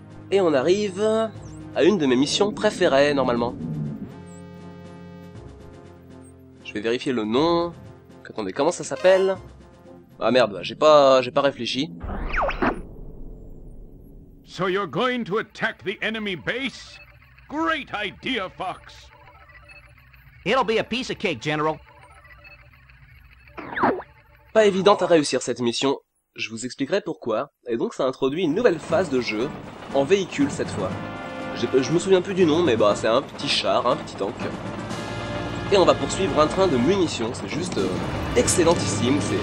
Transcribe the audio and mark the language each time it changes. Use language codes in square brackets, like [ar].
[fr] Et on arrive à une de mes missions préférées, normalement. Je vais vérifier le nom. Attendez, comment ça s'appelle? Ah merde, j'ai pas réfléchi. [en] So you're going to attack the enemy base? Great idea, Fox! It'll be a piece of cake, General. [fr] Pas évident à réussir cette mission. Je vous expliquerai pourquoi. Et donc ça introduit une nouvelle phase de jeu, en véhicule cette fois. Je me souviens plus du nom, mais bah c'est un petit char, un petit tank. Et on va poursuivre un train de munitions, c'est juste excellentissime.